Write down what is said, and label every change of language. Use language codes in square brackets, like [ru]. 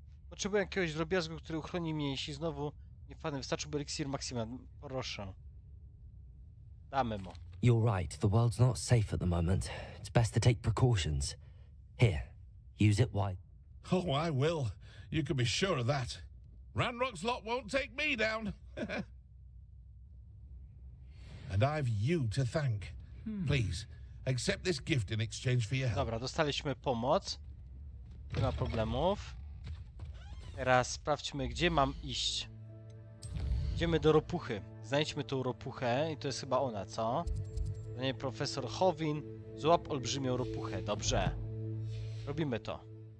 [pl] Potrzebuję jakiegoś drobiazgu, który uchroni mnie, jeśli znowu nie wpadnę. Wystarczyłby eliksir Maxima. Proszę. Damy mu. [en] You're right. The world's not safe at the moment. It's best to take precautions. Here, use it wide. Oh, I will. You can be sure of that. Ranrock's lot won't take me down. And I've you to thank. Please, accept this gift in exchange for your help. [pl] Dobra, dostaliśmy pomoc. Nie ma problemów. Teraz sprawdźmy, gdzie mam iść. Idziemy do ropuchy. Znajdźmy tą ropuchę i to jest chyba ona, co? Panie profesor Chowin, złap olbrzymią ropuchę. Dobrze. Robimy to.